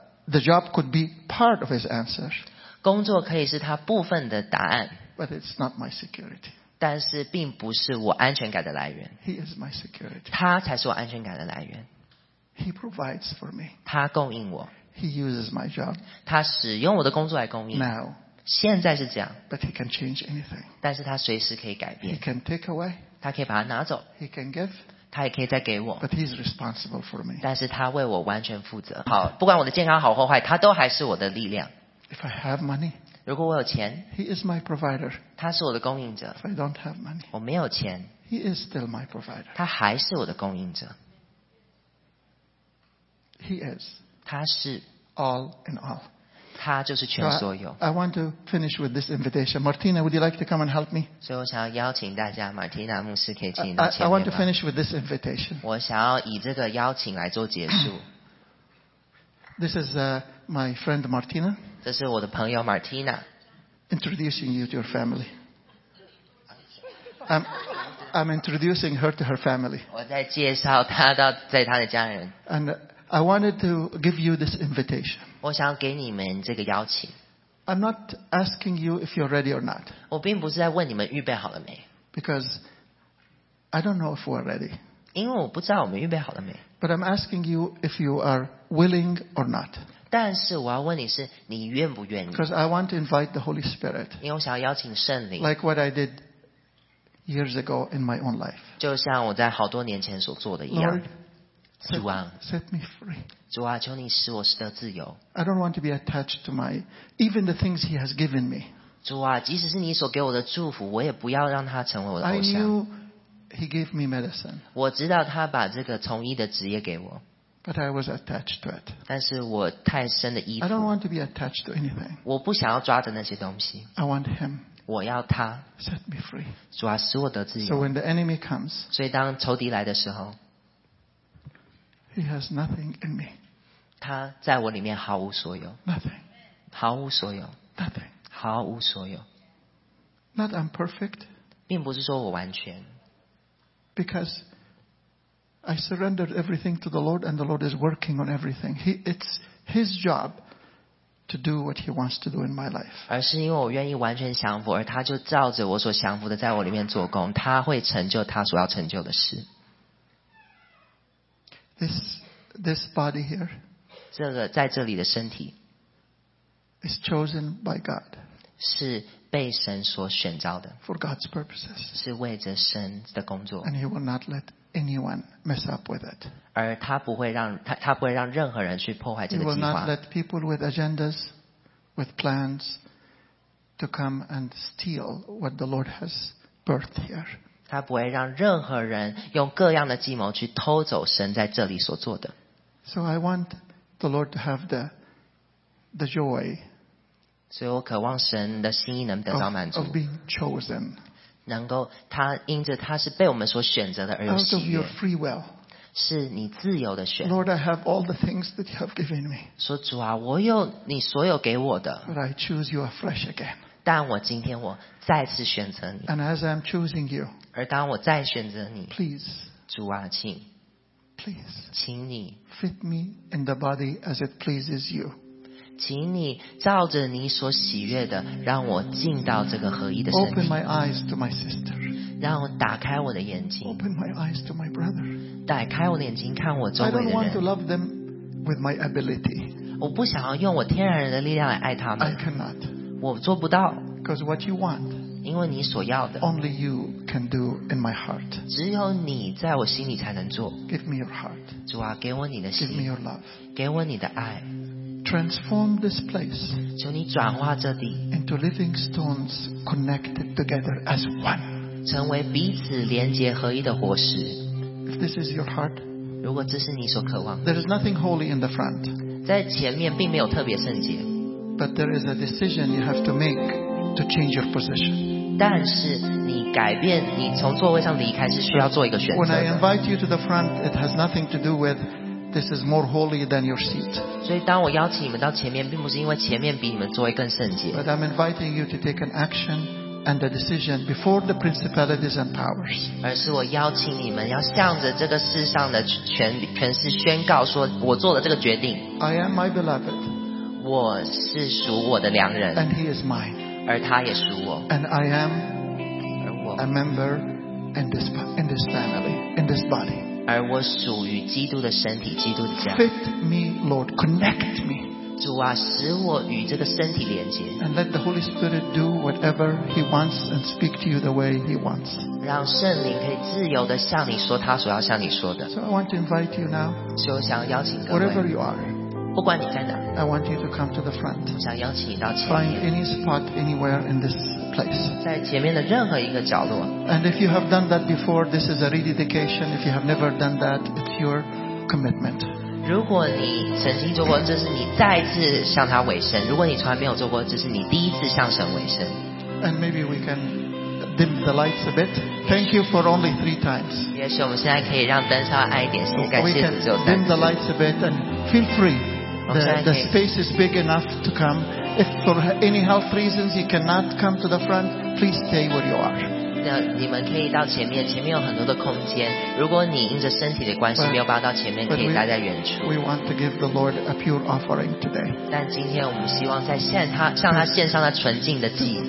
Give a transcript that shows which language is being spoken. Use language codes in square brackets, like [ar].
[en] the job could be part of his answer. [zh] 工作可以是他部分的答案 [en] But it's not my security. [zh] 但是并不是我安全感的来源 [en] He is my security. [zh] 他才是我安全感的来源 [en] He provides for me. [zh] 他供应我 [en] He uses my job. [zh] 他使用我的工作来供应 [en] Now, [zh] 现在是这样 [en] But he can change anything. [zh] 但是他随时可以改变 [en] He can take away. [zh] 他可以把它拿走 [en] He can give. [zh] 他也可以再给我 [en] But he's responsible for me. [zh] 但是他为我完全负责好不管我的健康好或坏他都还是我的力量 [en] If I have money, [zh] 如果我有钱 [en] he is my provider. [zh] 他是我的供应者 [en] If I don't have money, [zh] 我没有钱 [en] he is still my provider. [zh] 他还是我的供应者 [en] He is. [zh] 他是 [en] all in all. [zh] 他就是全所有。 [en] So I want to finish with this invitation. Martina, would you like to come and help me? [zh] 所以我想要邀请大家， Martina 牧师可以请你到前面吗？ [en] I want to finish with this invitation. [zh] 我想要以这个邀请来做结束。 [en] This is my friend Martina. [zh] 这是我的朋友 Martina. [en] Introducing you to your family. I'm introducing her to her family. [zh] 我在介绍她到在她的家人。 [en] And I wanted to give you this invitation. [zh] 我想要给你们这个邀请。 [en] I'm not asking you if you're ready or not. [zh] 我并不是在问你们预备好了没。 [en] Because I don't know if we're ready. [zh] 因为我不知道我们预备好了没。 [en] But I'm asking you if you are willing or not. [zh] 但是我要问你是你愿不愿意。 [en] Because I want to invite the Holy Spirit. [zh] 因为我想要邀请圣灵。 [en] Like what I did years ago in my own life. [zh] 就像我在好多年前所做的一样。 [en] Set me free. [zh] 主啊，求你使我得自由。 [en] I don't want to be attached to my even the things He has given me. [zh] 主啊，即使是你所给我的祝福，我也不要让它成为我的偶像。 [en] I knew He gave me medicine. [zh] 我知道他把这个从医的职业给我。 [en] But I was attached to it. [zh] 但是我太深的依附。 [en] I don't want to be attached to anything. [zh] 我不想要抓着那些东西。 [en] I want Him. [zh] 我要他。 [en] Set me free. [zh] 主啊，使我得自由。 [en] So when the enemy comes, [zh] 所以当仇敌来的时候。 [en] He has nothing in me. [zh] 他在我里面毫无所有。 [en] Nothing. [zh] 毫无所有。 [en] Nothing. [zh] 毫无所有。 [en] Not I'm perfect. [zh] 并不是说我完全。 [en] Because I surrendered everything to the Lord, and the Lord is working on everything. It's His job to do what He wants to do in my life. [zh] 而是因为我愿意完全降服，而他就照着我所降服的在我里面做工，他会成就他所要成就的事。 [en] This body here, [zh] 这个在这里的身体 [en] is chosen by God, [zh] 是被神所选召的 [en] for God's purposes, [zh] 是为着神的工作 [en] and He will not let anyone mess up with it. [zh] 而他不会让 他不会让任何人去破坏这个计划 [en] He will not let people with agendas, with plans, to come and steal what the Lord has birthed here. [zh] 他不会让任何人用各样的计谋去偷走神在这里所做的。 [en] So I want the Lord to have the joy. [zh] 所以我渴望神的心意能得到满足。 [en] Of being chosen. [zh] 能够他因着他是被我们所选择的而有喜悦。 [en] Out of your free will. [zh] 是你自由的选。 [en] Lord, I have all the things that you have given me. [zh] 说主啊，我有你所有给我的。 [en] But I choose you afresh again. [zh] 但我今天我再次选择你。 [en] And as I'm choosing you, [zh] 而当我再选择你 [en] please, [zh] 主啊请 [en] please, [zh] 请你 [en] fit me in the body as it pleases you. [zh] 请你照着你所喜悦的让我进到这个合一的身体。 [en] Open my eyes to my sister. [zh] 让我打开我的眼睛。 [en] Open my eyes to my brother. [zh] 打开我的眼睛看我周围的人。 [en] I don't want to love them with my ability. [zh] 我不想要用我天然人的力量来爱他们。 [en] I cannot. [zh] 我做不到 [en] Because what you want, [zh] 因为你所要的 [en] only you can do in my heart. [zh] 只有你在我心里才能做 [en] Give me your heart. [zh] 主啊给我你的心 [en] Give me your love. [zh] 给我你的爱 [en] Transform this place [zh] 求你转化这地 [en] into living stones connected together as one. [zh] 成为彼此连结合一的活石 [en] If this is your heart, [zh] 如果这是你所渴望 [en] There is nothing holy in the front. [zh] 在前面并没有特别圣洁 [en] But there is a decision you have to make to change your position. [zh] 但是你改变，你从座位上离开是需要做一个选择的。 [en] When I invite you to the front, it has nothing to do with this is more holy than your seat. [zh] 所以当我邀请你们到前面，并不是因为前面比你们座位更圣洁。 [en] But I'm inviting you to take an action and a decision before the principalities and powers. [zh] 而是我邀请你们要向着这个世上的权势宣告说，我做了这个决定。 [en] I am my beloved. [zh] 我是属我的良人 [en] and he is mine. [zh] 而他也属我 [en] and I am a member in this family in this body [zh] 而我属于基督的身体基督的家 [en] fit me Lord connect me [zh] 主啊使我与这个身体连接 [en] and let the Holy Spirit do whatever he wants and speak to you the way he wants [zh] 让圣灵可以自由地向你说他所要向你说的 [en] so I want to invite you now [zh] 所以我想邀请各位 [en] wherever you are [zh] 不管你在哪 [en] I want you to come to the front. [zh] 想邀请你到前面 [en] Find any spot anywhere in this place. [zh] 在前面的任何一个角落 [en] And if you have done that before, this is a rededication. If you have never done that, it's your commitment. [zh] 如果你曾经做过，这是你再次向他委身；如果你从来没有做过，这是你第一次向神委身。 [en] And maybe we can dim the lights a bit. Thank you for only three times. [zh] 也许我们现在可以让灯稍微暗一点，谢谢感谢只有三次。 [en] We can dim the lights a bit and feel free. The space is big enough to come. If for any health reasons you cannot come to the front, please stay where you are. [zh] 你们可以到前面，前面有很多的空间。如果你因着身体的关系没有办法到前面，可以待在远处。 [en] We want to give the Lord a pure offering today. [zh] 但今天我们希望在向他献上那纯净的祭。